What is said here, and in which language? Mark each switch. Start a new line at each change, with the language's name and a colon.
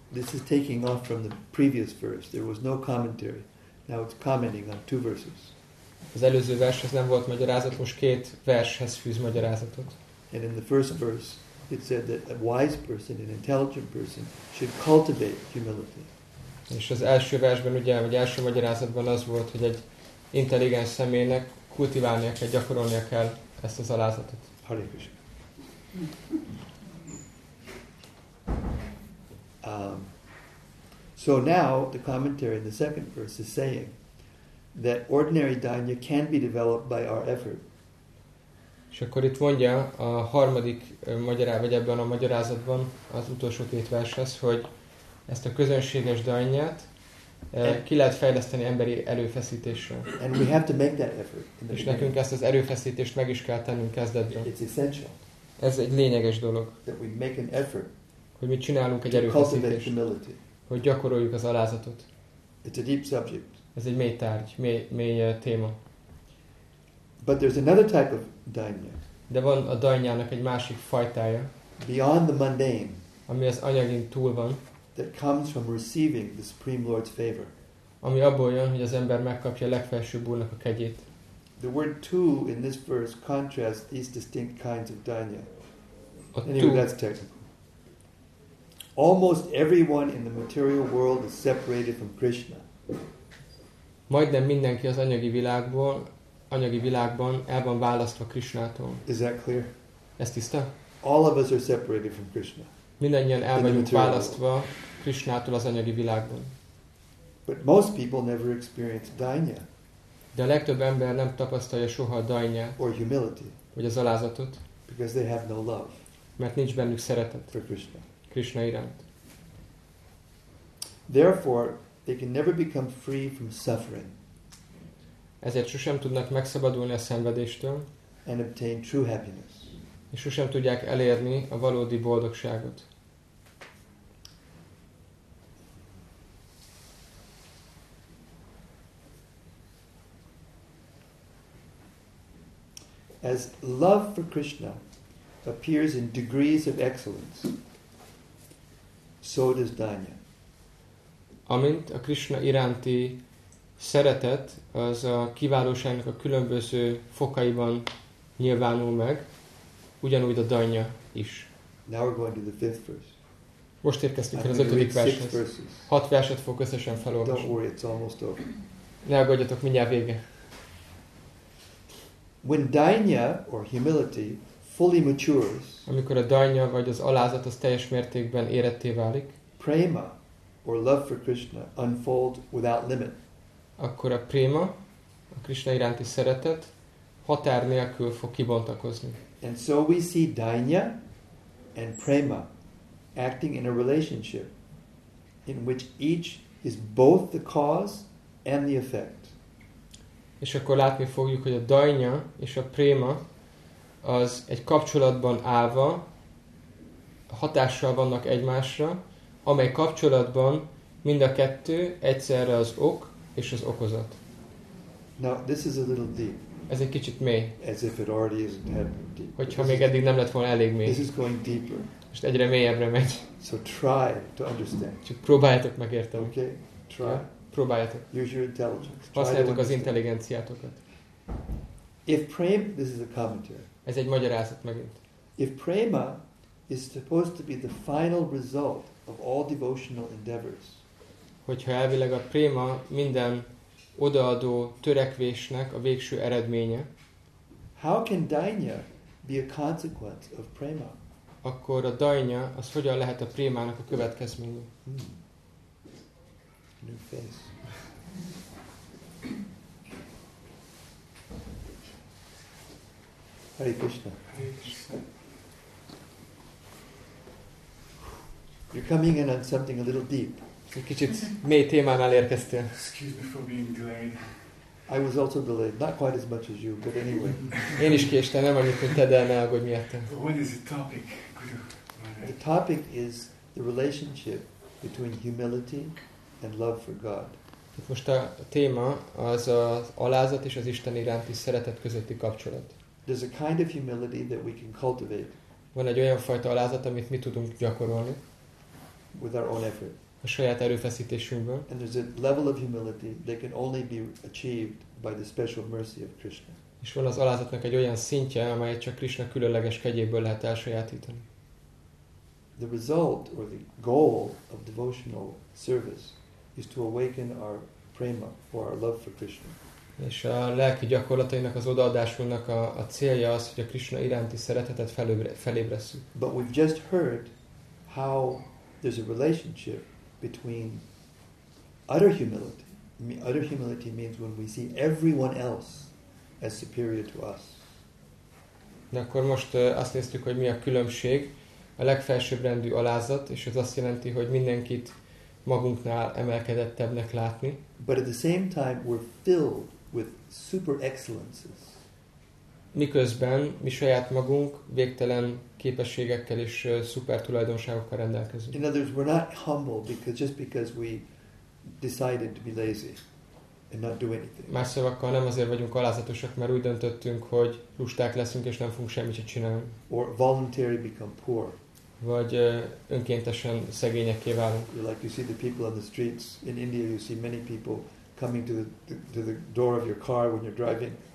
English: This is taking off from the previous verse. There was no commentary. Now it's commenting on two verses.
Hungarian: Az előző vershez nem volt magyarázat, most két vershez fűz magyarázatot.
English: And in the first verse, it said that a wise person, an intelligent person, should cultivate humility.
Hungarian: És az első versben, ugye, vagy első magyarázatban az volt, hogy egy intelligens személynek kultiválnia kell, gyakorolnia kell ezt az alázatot.
English: Hare Krishna. So So now the commentary in the second verse is saying that ordinary dānya can be developed by our effort.
Hungarian: És akkor itt mondja a harmadik magyarázat, vagy ebben a magyarázatban az utolsó két vershez, hogy ezt a közönséges dānyát ki lehet fejleszteni emberi erőfeszítéssel.
English: And we have to make that effort.
Hungarian: És nekünk ezt az erőfeszítést meg is kell tennünk kezdetben.
English: It's essential.
Hungarian: Ez egy lényeges dolog.
English: That we make an effort.
Hungarian: Hogy mi csinálunk egy erőfeszítést. Hogy gyakoroljuk az alázatot.
English: It's a deep subject.
Hungarian: Ez egy mély tárgy, mély téma.
English: But there's another type of dānya.
Hungarian: De van a dānyának egy másik fajtája.
English: Beyond the mundane.
Hungarian: Ami az anyagin túl van.
English: That comes from receiving the Supreme Lord's favor.
Hungarian: Ami abból jön, hogy az ember megkapja a legfelsőbb úrnak a kegyét.
English: The word two in this verse contrasts these distinct kinds of dānya. Anyway, that's technical. Almost everyone in the material world is separated from Krishna.
Hungarian: Majdnem mindenki az anyagi világban el van választva Krishnától.
English: Is that clear?
Hungarian: Ez tiszta?
English: All of us are separated from Krishna.
Hungarian: Mindannyian el vagyunk választva Krishnától az anyagi világban.
English: But most people never experience dānya.
Hungarian: De a legtöbb ember nem tapasztalja soha a dānyát.
English: Or humility.
Hungarian: Vagy az alázatot.
English: Because they have no love.
Hungarian: Mert nincs bennük szeretet.
English: For Krishna.
Hungarian: Krishna iránt.
English: Therefore, they can never become free from suffering.
Hungarian: Ezért sosem tudnak megszabadulni a szenvedéstől.
English: And obtain true happiness.
Hungarian: És sosem tudják elérni a valódi boldogságot.
English: As love for Krishna appears in degrees of excellence, so does dānya.
Hungarian: Amint a Krishna iránti szeretet az a kiválóságnak a különböző fokaiban nyilvánul meg, ugyanúgy a dānya is.
English: Now we're going to the fifth verse.
Hungarian: Most érkeztünk el az ötödik vershez. Hat verset fog összesen felolvasni.
English: Don't worry, it's almost over.
Hungarian: Ne aggódjatok, mindjárt vége.
English: When dānya or humility fully matures,
Hungarian: amikor a dānya vagy az alázat az teljes mértékben éretté válik,
English: prema or love for Krishna unfolds without limit.
Hungarian: Akkor a prema, a Krishna iránti szeretet határ nélkül fog kibontakozni.
English: And so we see dānya and prema acting in a relationship in which each is both the cause and the effect.
Hungarian: És akkor látni fogjuk, hogy a dānya és a prema az egy kapcsolatban állva hatással vannak egymásra, amely kapcsolatban mind a kettő egyszerre az ok és az okozat.
English: Now, this is a little deep.
Hungarian: Ez egy kicsit mély.
English: As if it already isn't had deep.
Hungarian: Hogyha még eddig nem lett volna elég mély.
English: This is going deeper.
Hungarian: Most egyre mélyebbre megy.
English: So try to understand.
Hungarian: Csak próbáljátok megérteni.
English: Okay, try.
Hungarian: Ja? Próbáljátok.
English: Use your intelligence.
Hungarian: Használjátok az intelligenciátokat.
English: If prema, this is a commentary.
Hungarian: Ez egy magyarázat megint.
English: If prema is supposed to be the final result of all devotional endeavors.
Hungarian: Hogyha elvileg a prema minden odaadó törekvésnek a végső eredménye.
English: How can dānya be a consequence of prema?
Hungarian: Akkor a dānya az hogyan lehet a prémának a következménye?
English: New face. Hare Krishna. You're coming in on something a little deep.
Hungarian: Egy kicsit mély témánál érkeztél.
English: Excuse me for being delayed. I was also delayed, not quite as much as you, but anyway.
Hungarian: Én is késtem, nem annyit, hogy te, de ne aggódj miattam.
English: But what is the topic? The topic is the relationship between humility and love for God.
Hungarian: Most a téma az az alázat és az Isten iránti szeretet közötti kapcsolat.
English: There's a kind of humility that we can cultivate.
Hungarian: Van egy olyan fajta alázat, amit mi tudunk gyakorolni.
English: With our own effort.
Hungarian: A saját erőfeszítésünkből.
English: And there's a level of humility that can only be achieved by the special mercy of Krishna.
Hungarian: És van az alázatnak egy olyan szintje, amelyet csak Krishna különleges kegyéből lehet elsajátítani.
English: The result or the goal of devotional service is to awaken our prema or our love for Krishna.
Hungarian: És a lelki gyakorlatainak, az odaadásunknak a célja az, hogy a Krishna iránti szeretetet felébresszük.
English: But we've just heard how there's a relationship between utter humility. Utter humility means when we see everyone else as superior to us.
Hungarian: De akkor most azt néztük, hogy mi a különbség. A legfelsőbb rendű alázat, és ez azt jelenti, hogy mindenkit magunknál emelkedettebbnek látni.
English: But at the same time we're filled with super excellences.
Hungarian: Miközben mi saját magunk végtelen képességekkel és szuper tulajdonságokkal rendelkezünk.
English: In other words, we're not humble because just because we decided to be lazy and not do anything.
Hungarian: Más szavakkal nem azért vagyunk alázatosak, mert úgy döntöttünk, hogy lusták leszünk és nem fogunk semmit csinálni.
English: Or voluntarily become poor.
Hungarian: Vagy önkéntesen szegényekké válunk.
English: Like you see the people on the streets in India, you see many people coming to the door of your car when you're driving.